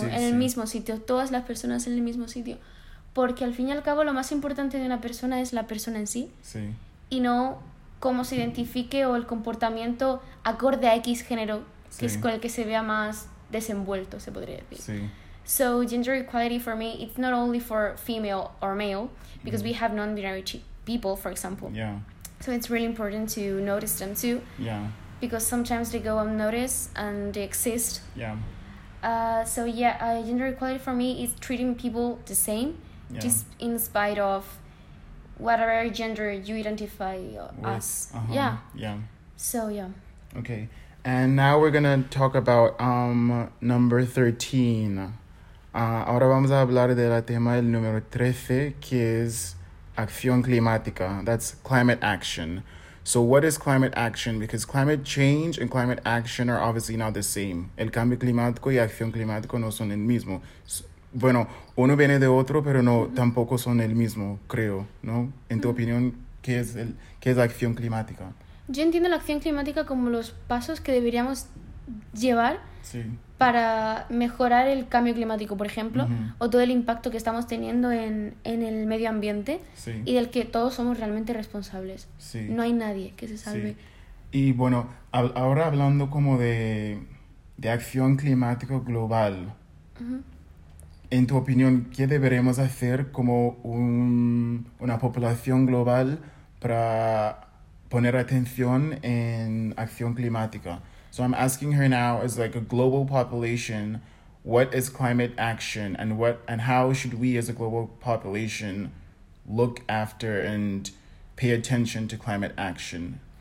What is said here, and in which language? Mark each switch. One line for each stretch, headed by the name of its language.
Spanish: sí, en el sí. mismo sitio, todas las personas en el mismo sitio, porque al fin y al cabo lo más importante de una persona es la persona en sí, sí. y no cómo se identifique o el comportamiento acorde a X género, sí. que es con el que se vea más desenvuelto, se podría decir. Sí.
English: So gender equality for me, it's not only for female or male, because we have non-binary people, for example. Yeah. So it's really important to notice them too. Yeah. Because sometimes they go unnoticed and they exist. Yeah. Gender equality for me is treating people the same, yeah. just in spite of whatever gender you identify with. As. Uh-huh. Yeah. Yeah. So, yeah. Okay. And now we're going to talk about number 13.
Spanish: Ahora vamos a hablar del tema del número 13, que es acción climática.
English: That's climate action. So what is climate action? Because climate change and climate action are obviously not the same.
Spanish: El cambio climático y acción climática no son el mismo. Bueno, uno viene de otro, pero no, mm-hmm. tampoco son el mismo, creo, ¿no? En tu opinión, ¿qué es acción climática? Yo entiendo la acción climática como los pasos que deberíamos llevar sí. para mejorar el cambio climático, por ejemplo, mm-hmm. o todo el impacto que estamos teniendo en el medio ambiente sí. y del que todos somos realmente responsables. Sí. No hay nadie que se salve. Sí. Y bueno, ahora hablando como de acción climática global, mm-hmm. en tu opinión, ¿qué deberemos hacer como una población global para poner atención en acción climática?
English: So I'm asking her now, as like a global population, what is climate action and how should we as a global population look after and pay attention to climate action?